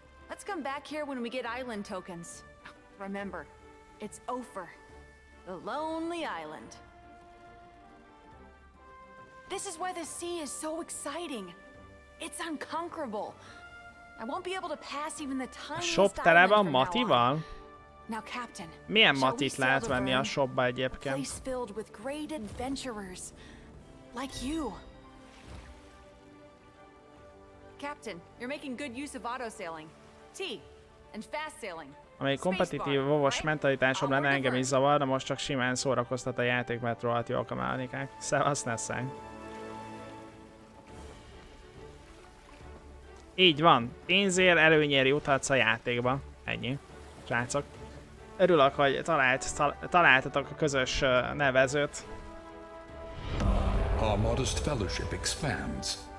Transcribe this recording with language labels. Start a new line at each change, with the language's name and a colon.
English: Let's come back here when we get island tokens. Remember, it's Ophir, the lonely island. This is why the sea is so exciting. It's unconquerable. I won't be able to pass even the tiniest
Hungarian: island from now on. A shop tele van Matival?
English: Now, Captain,
Hungarian: milyen Matit lehet venni a shopba egyébként?
English: Place filled with great adventurers like you. Captain, you're making good use of auto sailing. T and fast sailing.
Hungarian: Amely kompetitív vovos mentalitásom lenne, engem is zavar, de most csak simán szórakoztat a játék, mert rohadt jók a mechanikák. Szevasz, Nessen. Így van. Pénzért előnyére juthatsz a játékba. Ennyi. Srácok. Örülök, hogy találtatok a közös nevezőt.
English: Our modest fellowship expands.